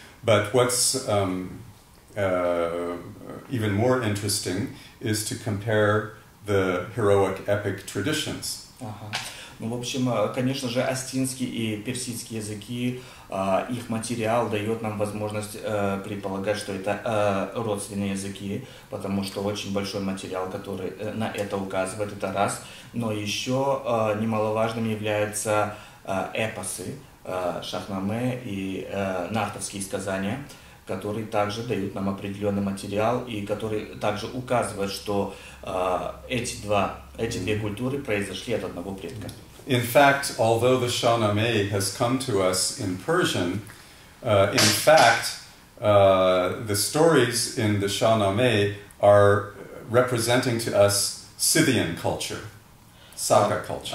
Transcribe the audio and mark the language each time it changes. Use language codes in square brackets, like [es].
[en] But what's even more interesting is to compare the heroic epic traditions. [ru] Ну, в общем, конечно же, остинский и персидский языки, их материал дает нам возможность предполагать, что это родственные языки, потому что очень большой материал, который на это указывает, это раз. Но еще немаловажным являются эпосы, Шахнаме и нартовские сказания, которые также дают нам определенный материал и которые также указывают, что эти две культуры произошли от одного предка. [en] In fact, although the Shahnameh has come to us in Persian, the stories in the Shahnameh are representing to us Scythian culture, Saka culture.